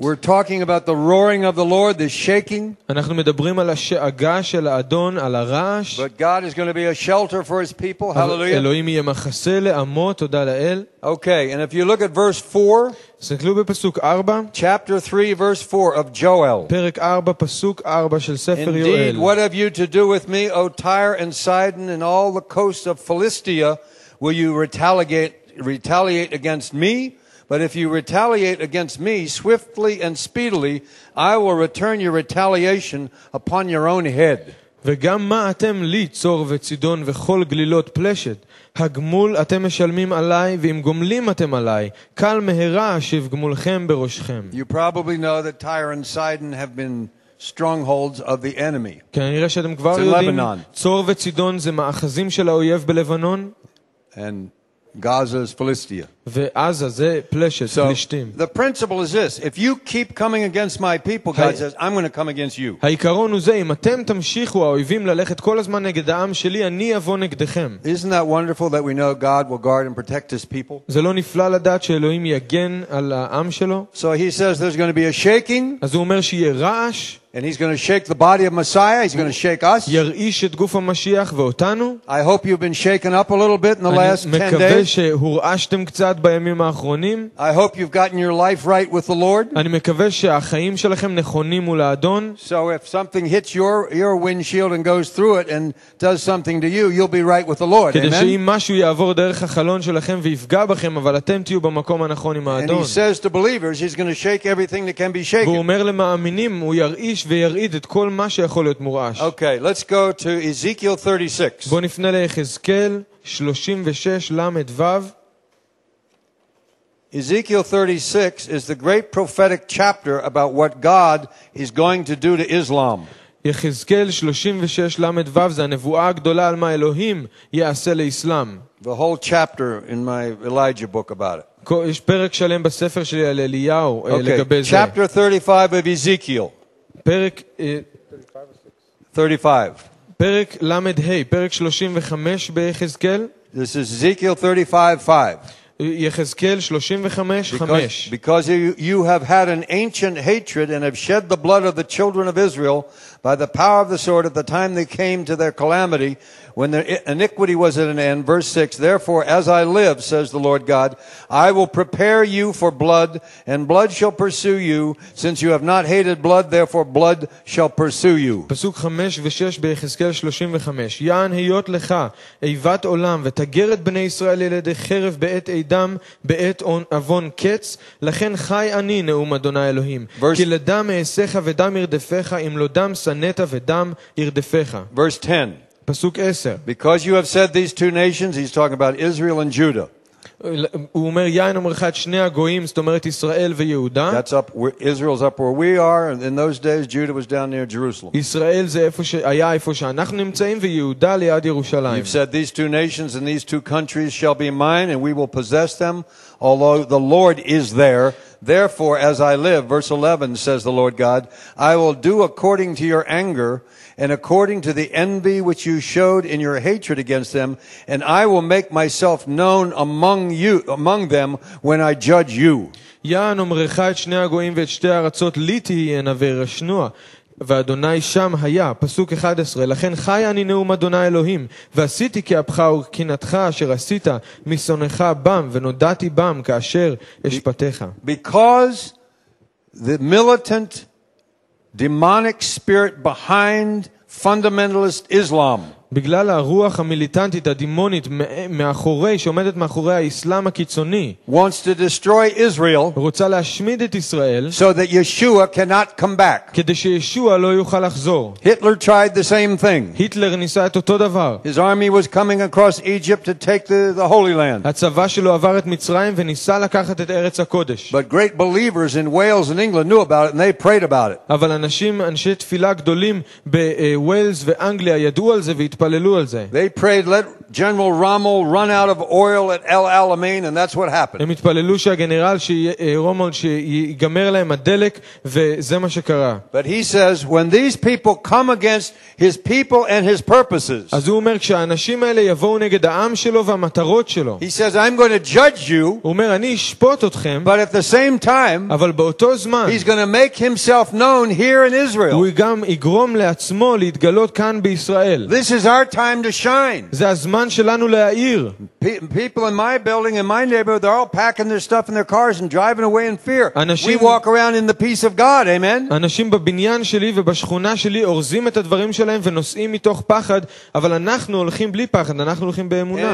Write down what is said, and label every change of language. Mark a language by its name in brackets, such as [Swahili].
[English] We're talking about the roaring of the Lord, the shaking. [Hebrew] אנחנו מדברים על השאגה של האדון, על הרעש. [English] But God is going to be a shelter for his people. Hallelujah. [Hebrew] אלוהים יהיה מחסה לעמו, תודה לאל. [English] Okay, and if you look at verse 4. [Hebrew] תסתכלו בפסוק 4. [English] Chapter 3 verse 4 of Joel. [Hebrew] פרק 4 פסוק 4 של ספר יואל. [English] Indeed, what have you to do with me, O Tyre and Sidon and all the coasts of Philistia? Will you retaliate against me? But if you retaliate against me swiftly and speedily, I will return your retaliation upon your own head. [Hebrew] וגם מה אתם לי צור וצידון וכל גלילות פלשת? הגמול אתם משלמים עליי ואם גומלים אתם עליי, קל מהרה אשיב גמולכם בראשכם. [English] You probably know that Tyre and Sidon have been strongholds of the enemy. [Hebrew] כנראה שאתם כבר יודעים, צור וצידון זה מאחזים של האויב בלבנון. [English] And Gaza is Philistia. [Hebrew] ועזה זה פלשת, פלישתים. [English] So the principle is this: if you keep coming against my people, God says, I'm going to come against you. [Hebrew] העיקרון הוא זה, אם אתם תמשיכו האויבים ללכת כל הזמן נגד העם שלי, אני אבוא נגדכם. [English] Isn't that wonderful that we know God will guard and protect his people? [Hebrew] זה לא נפלא לדעת שאלוהים יגן על העם שלו? [English] So he says there's going to be a shaking. [Hebrew] אז הוא אומר שיהיה רעש. [English] And he's going to shake the body of Messiah, he's going to shake us. [Hebrew] ירעיש את גוף המשיח ואותנו. [English] I hope you've been shaken up a little bit in the last 10 days. [Hebrew] אני מקווה שהורעשתם קצת בימים האחרונים. [English] I hope you've gotten your life right with the Lord. [Hebrew] אני מקווה שהחיים שלכם נכונים מול האדון. [English] So if something hits your windshield and goes through it and does something to you, you'll be right with the Lord. [Hebrew] כדי שאם משהו יעבור דרך החלון שלכם ויפגע בכם, אבל אתם תהיו במקום הנכון עם האדון. [English] And he says to believers, he's going to shake everything that can be shaken. [Hebrew] והוא אומר למאמינים, הוא ירעיש וירעיד את כל מה שיכול להיות מורעש. [English] Okay, let's go to Ezekiel 36. [Hebrew] בוא נפנה ליחזקאל 36 למד וב. [English] Ezekiel 36 is the great prophetic chapter about what God is going to do to Islam. [Hebrew] יחזקאל 36 למד וב זה הנבואה הגדולה על מה אלוהים יעשה לאסלאם. [English] The whole chapter in my Elijah book about it. [Hebrew] יש פרק שלם בספר שלי על אליהו לגבי זה. [English] Chapter 35 of Ezekiel. [Hebrew] פרק 35. פרק למד ה', פרק 35 ביחזקאל. [English] This is Ezekiel 35:5. [Hebrew] יחזקאל 35:5. [English] Because you have had an ancient hatred and have shed the blood of the children of Israel by the power of the sword at the time they came to their calamity, when their iniquity was at an end, verse 6, therefore, as I live, says the Lord God, I will prepare you for blood, and blood shall pursue you, since you have not hated blood, therefore blood shall pursue you. [Hebrew] פסוק 5 ו-6 ביחזקאל 35, יען היות לך איבת עולם, ותגר את בני ישראל ילדי חרב בעת אידם, בעת אבון קץ, לכן חי אני, נאום אדוני אלוהים, כי לדם אעשך ודם ירדפך, אם לא דם סנת ודם ירדפך. [English] Verse 10. [Hebrew] פסוק 10. [English] Because you have said these two nations, he's talking about Israel and Judah. [Hebrew] הוא אומר, יין אומרך את שני הגויים, זאת אומרת ישראל ויהודה. [English] That's up, Israel's up where we are, and in those days, Judah was down near Jerusalem. [Hebrew] ישראל זה איפה שהיה איפה שאנחנו נמצאים, ויהודה ליד ירושלים. [English] You've said these two nations and these two countries shall be mine, and we will possess them, although the Lord is there. Therefore, as I live, verse 11, says the Lord God, I will do according to your anger, and according to the envy which you showed in your hatred against them, and I will make myself known among them when I judge you. [Hebrew] יען אומרך את שני הגויים ואת שתי הארצות לי תהיינה וירשנוע, ואדוני שם היה. פסוק 11, לכן חי אני נאום אדוני אלוהים, ועשיתי כאבך וכנתך אשר עשית משונך בם, ונודעתי בם כאשר אשפטך. [English] Because the militant demonic spirit behind fundamentalist Islam. [Hebrew] בגלל הרוח המיליטנטית הדימונית מאחורי שעומדת מאחורי האסלאם הקיצוני. [English] Wants to destroy Israel. [Hebrew] רוצה להשמיד את ישראל. [English] So that Yeshua cannot come back. [Hebrew] כדי שישוע לא יוכל לחזור. [English] Hitler tried the same thing. [Hebrew] היטלר ניסה את אותו דבר. [English] His army was coming across Egypt to take the Holy Land. [Hebrew] הצבא שלו עבר את מצרים וניסה לקחת את ארץ הקודש. [English] But great believers in Wales and England knew about it and they prayed about it. [Hebrew] אבל אנשי תפילה גדולים בווילס ואנגליה ידעו על זה והתפללו. התפללו על זה. [English] They prayed, let General Rommel run out of oil at El Alamein, and that's what happened. [Hebrew] הם התפללו שהגנרל רומל שיגמר להם הדלק, וזה מה שקרה. [English] But he says, when these people come against his people and his purposes, [Hebrew] אז הוא אומר, כשהאנשים האלה יבואו נגד העם שלו והמטרות שלו, [English] he says, I'm going to judge you, [Hebrew] הוא אומר, אני אשפוט אתכם, [English] but at the same time, [Hebrew] אבל באותו זמן, [English] he's going to make himself known here in Israel. [Hebrew] הוא גם יגרום לעצמו להתגלות כאן בישראל. [English] This is our time to shine. [Hebrew] זה הזמן שלנו להאיר. [English] People in my building, in my neighborhood, they're all packing their stuff in their cars and driving away in fear. [Hebrew] אנשים, [English] we walk around in the peace of God, amen? [Hebrew] אנשים בבניין שלי ובשכונה שלי אורזים את הדברים שלהם ונוסעים מתוך פחד, אבל אנחנו הולכים בלי פחד, אנחנו הולכים באמונה.